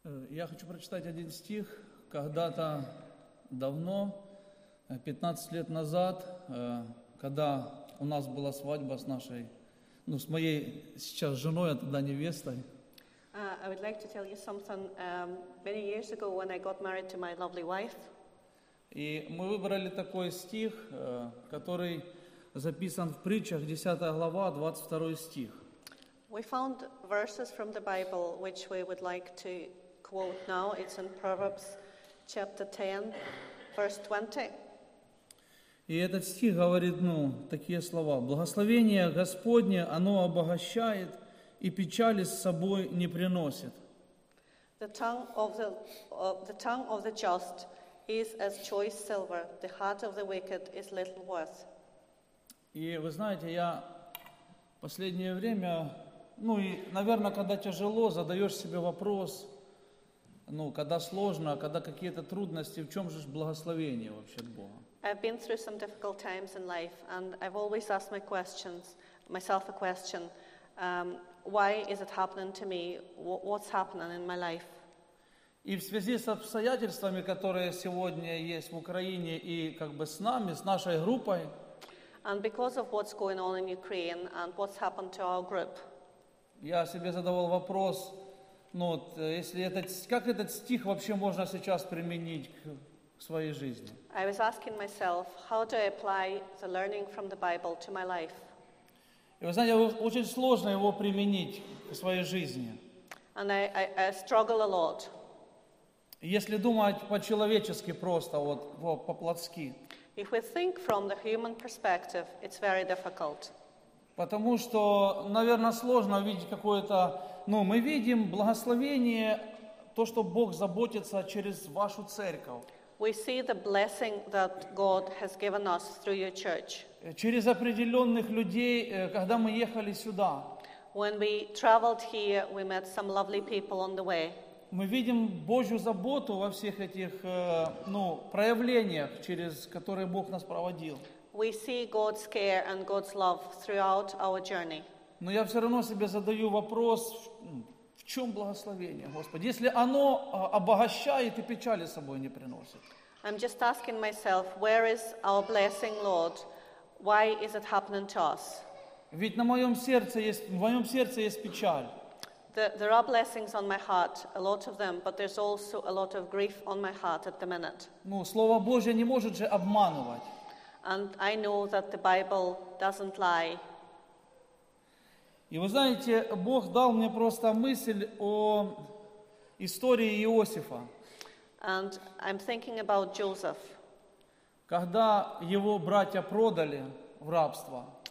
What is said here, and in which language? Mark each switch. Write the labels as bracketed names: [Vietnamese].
[Russian] Я хочу прочитать один стих. Когда-то давно, 15 лет назад, когда у нас была свадьба с нашей, ну, с моей сейчас женой, а тогда невестой. [English] I would like to tell you something. Many years ago, when I got married to my lovely wife. [Russian] И мы выбрали такой стих, который записан в притчах, 10 глава, 22 стих. [English] We found verses from the Bible, which we would like to quote now. It's in Proverbs chapter 10, verse 20. [Russian] И этот стих говорит, ну, такие слова. Благословение Господне, оно обогащает, и печали с собой не приносит. [English] The tongue of the just is as choice silver. The heart of the wicked is little worth. [Russian] И вы знаете, я последнее время, ну и, наверное, когда тяжело, задаешь себе вопрос, ну, когда сложно, когда какие-то трудности, в чем же благословение вообще от Бога? [English] I've been through some difficult times in life, and I've always asked my questions, myself a question. Why is it happening to me? What's happening in my life? [Russian] И в связи с обстоятельствами, которые сегодня есть в Украине и как бы с нами, с нашей группой. [English] And because of what's going on in Ukraine and what's happened to our group. [Russian] Я себе задавал вопрос, ну вот, если этот, как этот стих вообще можно сейчас применить к своей жизни? [English] I was asking myself, how do I apply the learning from the Bible to my life? [Russian] И вы знаете, очень сложно его применить в своей жизни. [English] And I struggle a lot. [Russian] Если думать по-человечески просто, вот, по-плотски. [English] If we think from the human perspective, it's very difficult. [Russian] Потому что, наверное, сложно увидеть какое-то... Ну, мы видим благословение, то, что Бог заботится через вашу церковь. [English] We see the blessing that God has given us through your church. [Russian] Через определенных людей, когда мы ехали сюда. [English] When we traveled here, we met some lovely people on the way. [Russian] Мы видим Божью заботу во всех этих, ну, проявлениях, через которые Бог нас проводил. [English] We see God's care and God's love throughout our journey. [Russian] Но я все равно себе задаю вопрос, в чем благословение, Господи, если оно обогащает и печали с собой не приносит. [English] I'm just asking myself, where is our blessing, Lord? Why is it happening to us? [Russian] Ведь на моем сердце есть, в моем сердце есть печаль. [English] There are blessings on my heart, a lot of them, but there's also a lot of grief on my heart at the minute. [Russian] Ну, Слово Божье не может же обманывать. [English] And I know that the Bible doesn't lie. [Russian] И вы знаете, Бог дал мне просто мысль о истории Иосифа. [English] And I'm thinking about Joseph. [Russian] Когда его братья продали в рабство.